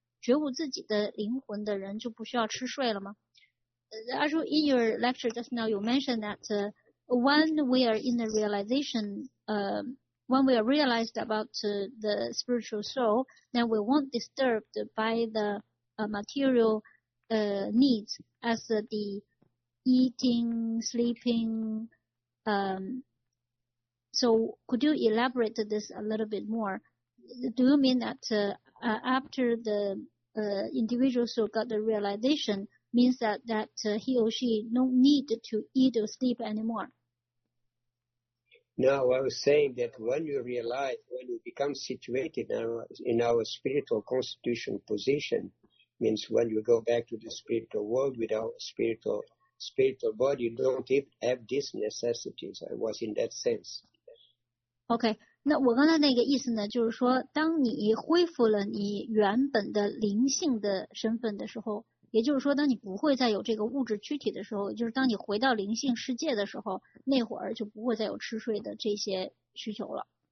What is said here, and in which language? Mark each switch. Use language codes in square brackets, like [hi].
[zh] 觉悟自己的灵魂的人就不需要吃睡了吗？ [en] Ashu, in your lecture just now, you mentioned that when we are in the realization, when we are realized about the spiritual soul, then we won't be disturbed by the material needs as the eating, sleeping. So could you elaborate this a little bit more? Do you mean that after the individual soul got the realization,means that he or she don't need to eat or sleep anymore? No, I was saying that when you realize, when you become situated in our spiritual constitution position, means when you go back to the spiritual world with our spiritual body, you don't even have these necessities. I was in that sense. [zh] Okay, 那我刚才那个意思呢，就是说当你恢复了你原本的灵性的身份的时候，也就是说当你不会再有这个物质躯体的时候，就是当你回到灵性世界的时候，那会儿就不会再有吃睡的这些需求了。